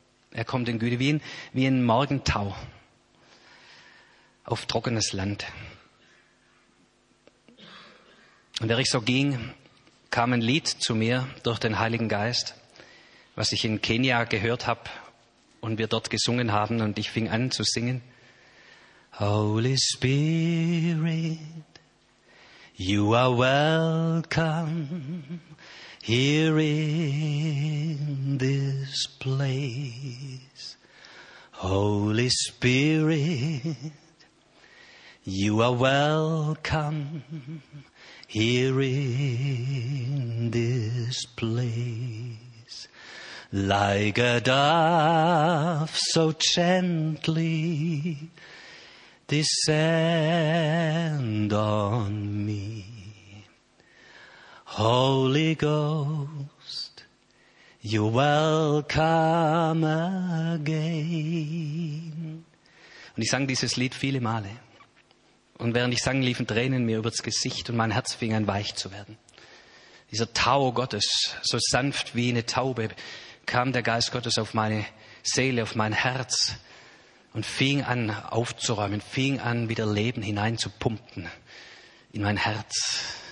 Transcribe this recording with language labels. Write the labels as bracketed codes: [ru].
[de] Er kommt in Güte wie ein Morgentau auf trockenes Land. Und während ich so ging, kam ein Lied zu mir durch den Heiligen Geist, was ich in Kenia gehört habe und wir dort gesungen haben. Und ich fing an zu singen. [en] Holy Spirit, you are welcome here in this place. Holy Spirit, You are welcome here in this place, like a dove so gently descend on me. Holy Ghost, you're welcome again. [de] Und ich sang dieses Lied viele Male. Und während ich sang, liefen Tränen mir übers Gesicht und mein Herz fing an, weich zu werden. Dieser Tau Gottes, so sanft wie eine Taube, kam der Geist Gottes auf meine Seele, auf mein Herz und fing an aufzuräumen, fing an, wieder Leben hineinzupumpen in mein Herz.